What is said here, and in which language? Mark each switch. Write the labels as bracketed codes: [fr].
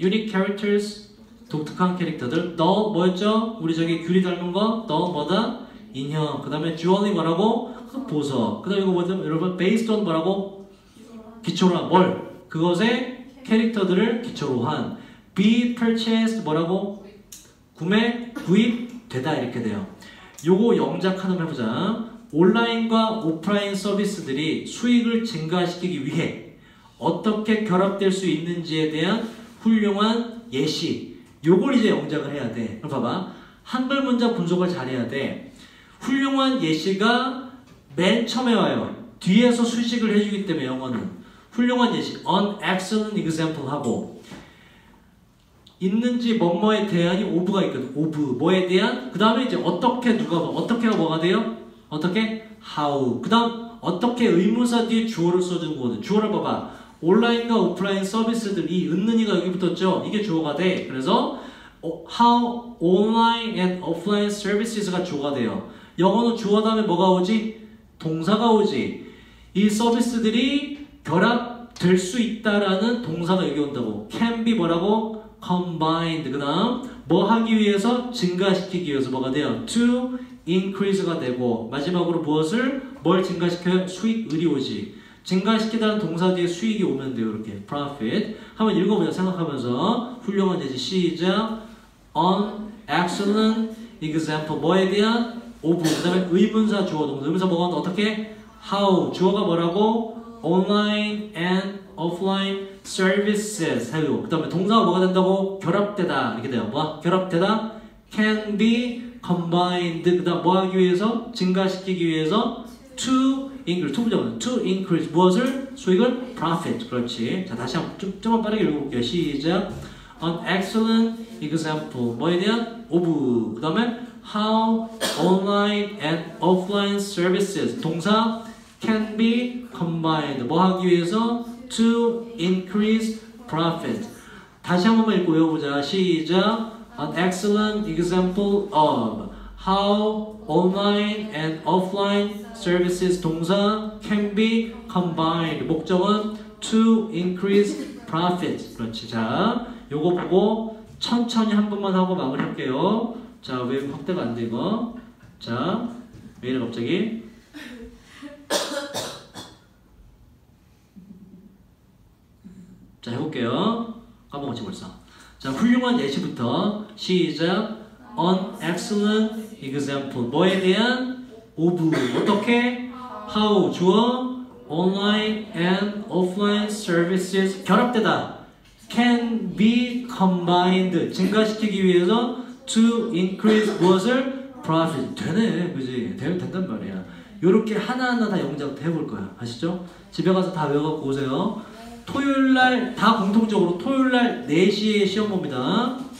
[en] unique characters [ko] 독특한 캐릭터들. doll 뭐였죠? 우리 저기 귤이 닮은 거? doll 뭐다? 인형. 그 다음에 jewelry 뭐라고? 보석. 그 다음 이거 뭐죠? 여러분 [en] based on [ko] 뭐라고? 기초로 한 뭘? 그것의 캐릭터들을 기초로 한. [en] be purchased [ko] 뭐라고? 구매, 구입되다 이렇게 돼요. 요거 영작 하나만 해보자. 온라인과 오프라인 서비스들이 수익을 증가시키기 위해 어떻게 결합될 수 있는지에 대한 훌륭한 예시. 요걸 이제 영작을 해야 돼. 그럼 봐봐. 한글 문자 분석을 잘해야 돼. 훌륭한 예시가 맨 처음에 와요. 뒤에서 수식을 해주기 때문에 영어는. 훌륭한 예시. [en] An excellent example [ko] 하고 있는지 뭐뭐에 대한 오브가 있거든. 오브 뭐에 대한. 그 다음에 이제 어떻게 누가 봐. 어떻게가 뭐가 돼요? 어떻게? How. 그 다음 어떻게 의문사 뒤에 주어를 써준 거거든. 주어를 봐봐. 온라인과 오프라인 서비스들 이 은는이가 여기 붙었죠. 이게 주어가 돼. [en] 그래서 How online and offline services가 [ko] 주어가 돼요. 영어는 주어 다음에 뭐가 오지? 동사가 오지. 이 서비스들이 결합될 수 있다라는 동사가 여기 온다고. [en] Can be [ko] 뭐라고? Combined. 그 다음 뭐 하기 위해서? 증가시키기 위해서 뭐가 돼요? [en] To increase [ko] 가 되고 마지막으로 무엇을? 뭘 증가시켜요? 수익을이 오지. 증가시키다는 동사 뒤에 수익이 오면 돼요. 이렇게 Profit. 한번 읽어보세요. 생각하면서. 훌륭한 예시 시작. [en] An excellent example. [ko] 뭐에 대한? [en] Of. [ko] 그 다음에 의문사 주어 동사. 의문사 뭐가 온다? 어떻게? How. 주어가 뭐라고? [en] Online and offline services. [ko] 그 다음에 동사가 뭐가 된다고? 결합되다. 이렇게 돼요. 뭐? 결합되다. [en] Can be combined. [ko] 그 다음 뭐 하기 위해서? 증가시키기 위해서? [en] To increase. [ko] 투부정은 [en] to increase. [ko] 무엇을? 수익을? Profit. 그렇지. 자, 다시 한번 좀만 빠르게 읽어볼게요. [en] 시작. An excellent example. [ko] 뭐에 대한? [en] Of. [ko] 그 다음에 [en] How online and offline services. [ko] 동사. [en] Can be combined. [ko] 뭐 하기 위해서? [en] To increase profit. [ko] 다시 한 번만 읽고 외워보자. 시작. [en] An excellent example of how online and offline services 동사 can be combined. [ko] 목적은 [en] to increase profit. [ko] 그렇지. 자, 요거 보고 천천히 한 번만 하고 마무리할게요. 자, 왜 확대가 안 되고? 자, 왜 이래 갑자기? 자, 해볼게요. 까먹었지 벌써. 자, 훌륭한 예시부터 시작. [en] An excellent example. [ko] 뭐에 대한? [en] Of. [ko] 어떻게? [en] How. 주어. Online and offline services. [ko] 결합되다. [en] Can be combined. [ko] 증가시키기 위해서 [en] to increase [ko] 무엇을? Profit. 되네. 그지? 된단 말이야. 요렇게 하나하나 다 영작도 해볼 거야. 아시죠? 집에 가서 다 외워갖고 오세요. 토요일 날, 다 공통적으로 토요일 날 4시에 시험 봅니다.